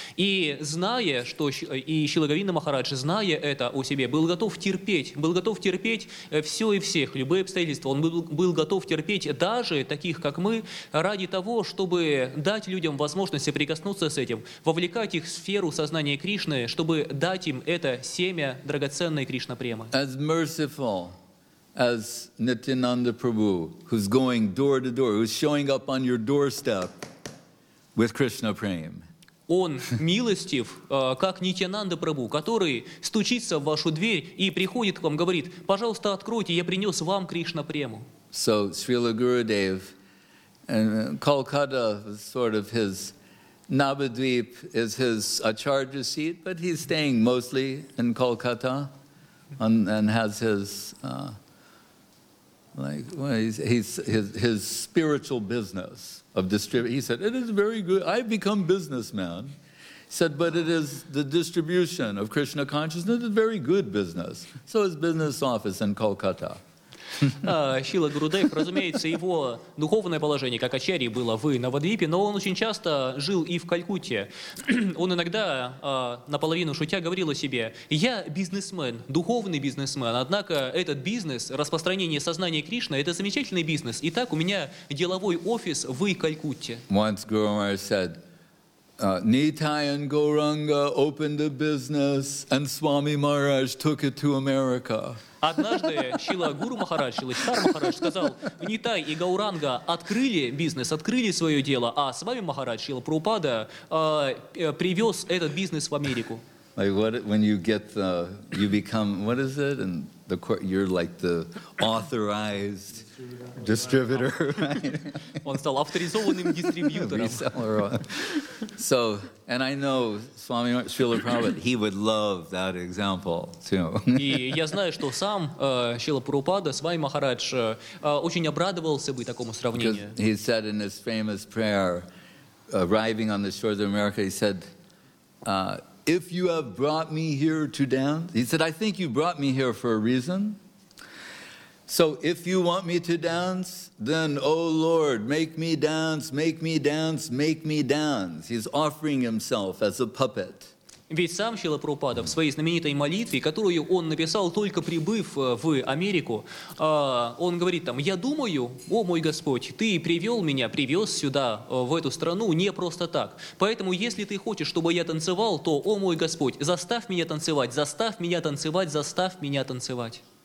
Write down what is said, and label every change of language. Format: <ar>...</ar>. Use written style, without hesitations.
<ru>И зная, что и Шрила Говинда Махарадж, зная это о себе, был готов терпеть все и всех, любые обстоятельства. Он был готов терпеть даже таких, как мы, ради того, чтобы дать людям возможность соприкоснуться с этим, вовлекать их в сферу сознания Кришны, чтобы дать им это семя драгоценной Кришна Премы.</ru> <en>As merciful as Nityananda Prabhu, who's going door to door, who's showing up on your doorstep with Krishna Prem.</en> <ru>Он милостив, как Нитянанда Прабху, который стучится в вашу дверь и приходит к вам, говорит: «Пожалуйста, откройте, я принес вам Кришна Прему».</ru> <en>So Srila Gurudev, and Kolkata was sort of his Navadvip is his acharya seat, but he's staying mostly in Kolkata, and has his his spiritual business of distribution. He said it is very good. I've become businessman. He said, but it is the distribution of Krishna consciousness is very good business. So his business office in Kolkata.</en> <ru>Шрила Гурудев, разумеется, его духовное положение как ачарьи было в Навадвипе, но он очень часто жил и в Калькутте. Он иногда наполовину шутя говорил о себе: «Я бизнесмен, духовный бизнесмен, однако этот бизнес, распространение сознания Кришны, это замечательный бизнес. Итак, у меня деловой офис в Калькутте».</ru> <en>Once Guru Maharaj said, Nitai and Gauranga opened a business and Swami Maharaj took it to America.</en> <ru>Однажды Шрила Гуру Махарадж, Шрила Шитар Махарадж сказал: Нитай и Гауранга открыли бизнес, открыли свое дело, а с вами Махарадж, Шрила Прабхупада, привез этот бизнес в Америку.</ru> <en>Like what when you get the you become what is it and the court you're like the authorized distributor.</en> <ru>Он стал авторизованным дистрибьютором.</ru> <en>So and I know Swami Srila Prabhupada, he would love that example too.</en> <ru>И я знаю, что сам Шрила Прабхупада, Свами Махарадж, очень обрадовался бы такому сравнению.</ru> <en>He said in his famous prayer, arriving on the shores of America, he said, if you have brought me here to dance, he said, I think you brought me here for a reason. So if you want me to dance, then, oh Lord, make me dance, make me dance, make me dance. He's offering himself as a puppet.</en> <ru>Ведь сам Шрила Прабхупада в своей знаменитой молитве, которую он написал, только прибыв в Америку, он говорит там, «Я думаю, о мой Господь, Ты привел меня, привез сюда, в эту страну, не просто так. Поэтому, если Ты хочешь, чтобы я танцевал, то, о мой Господь, заставь меня танцевать, заставь меня танцевать, заставь меня танцевать».</ru>